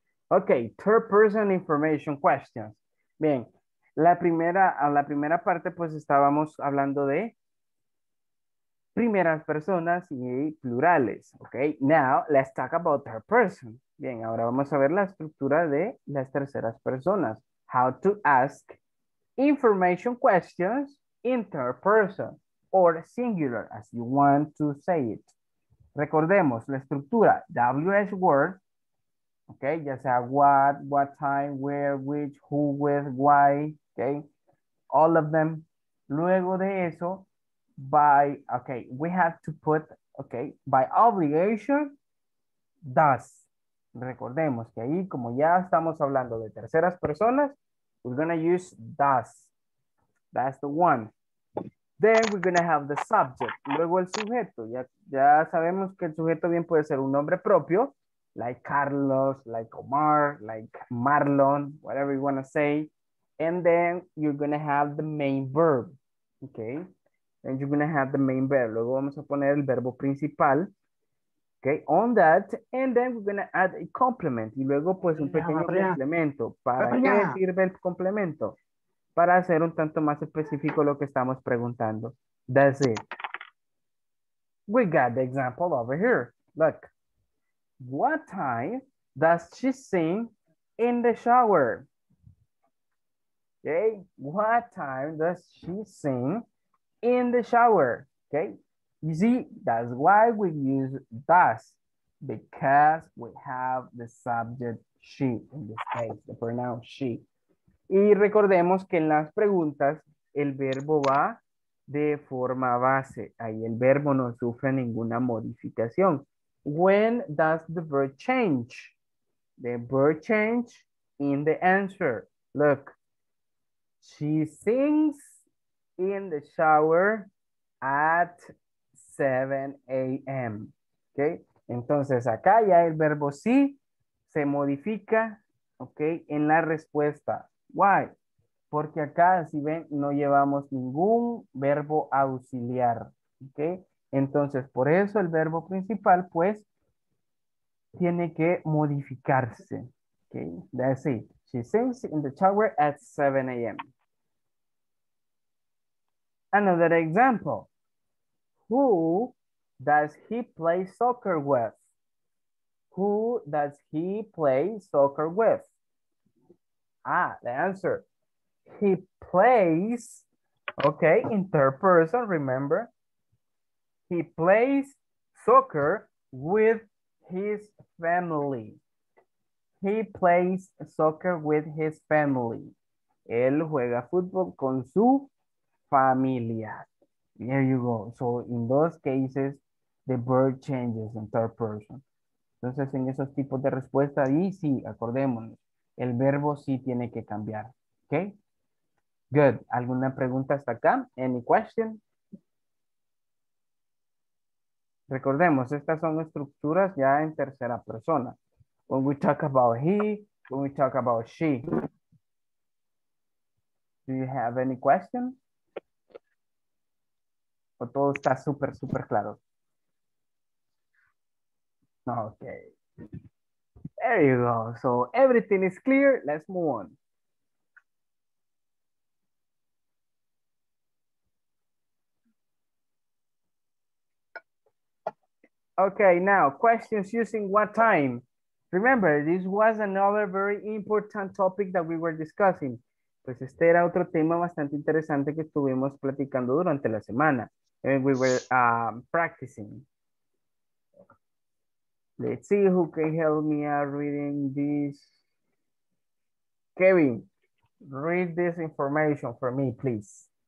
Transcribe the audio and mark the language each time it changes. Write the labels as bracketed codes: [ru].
[en] Ok, third person information questions. [es] Bien, la primera parte pues estábamos hablando de primeras personas y plurales. [en] Ok, now let's talk about third person. [es] Bien, ahora vamos a ver la estructura de las terceras personas. [en] How to ask information questions in third person or singular, as you want to say it. [es] Recordemos la estructura [en] WH word, ok, [es] ya sea [en] what time, where, which, who, with, why, ok, all of them. [es] Luego de eso, [en] by, ok, we have to put, ok, by obligation, does. [es] Recordemos que ahí, como ya estamos hablando de terceras personas, [en] we're going to use does. That's the one. Then we're going to have the subject. [es] Luego el sujeto. Ya sabemos que el sujeto bien puede ser un nombre propio. [en] Like Carlos, like Omar, like Marlon, whatever you want to say. And then you're going to have the main verb. Okay. Then you're going to have the main verb. [es] Luego vamos a poner el verbo principal. [en] Okay. On that. And then we're going to add a complement. [es] Y luego pues un pequeño complemento. ¿Para qué sirve el complemento? Para hacer un tanto más específico lo que estamos preguntando. [en] That's it. We got the example over here. Look. What time does she sing in the shower? Okay. What time does she sing in the shower? Okay. You see, that's why we use does. Because we have the subject she. In this case, the pronoun she. [es] Y recordemos que en las preguntas el verbo va de forma base. Ahí el verbo no sufre ninguna modificación. [en] When does the verb change? The verb change in the answer. Look. She sings in the shower at 7 a.m. Okay? [es] Entonces acá ya el verbo sí se modifica, okay, en la respuesta. [en] Why? [es] Porque acá, si ven, no llevamos ningún verbo auxiliar, ¿ok? Entonces, por eso el verbo principal, pues, tiene que modificarse, ¿ok? [en] That's it. She sings in the shower at 7 a.m. Another example. Who does he play soccer with? Who does he play soccer with? Ah, the answer. He plays, okay, in third person, remember? He plays soccer with his family. He plays soccer with his family. [es] Él juega fútbol con su familia. [en] There you go. So in those cases, the verb changes in third person. [es] Entonces, en esos tipos de respuesta, ahí sí, acordémonos. El verbo sí tiene que cambiar. ¿Ok? Good. ¿Alguna pregunta hasta acá? [en] Any question? [es] Recordemos, estas son estructuras ya en tercera persona. [en] When we talk about he, when we talk about she. Do you have any question? [es] ¿O todo está súper, súper claro? [en] Ok. There you go. So everything is clear. Let's move on. Okay, now questions using what time. Remember, this was another very important topic that we were discussing. [es] Pues este era otro tema bastante interesante que estuvimos platicando durante la semana. [en] And we were practicing. Let's see who can help me out reading this. Kevin, read this information for me, please.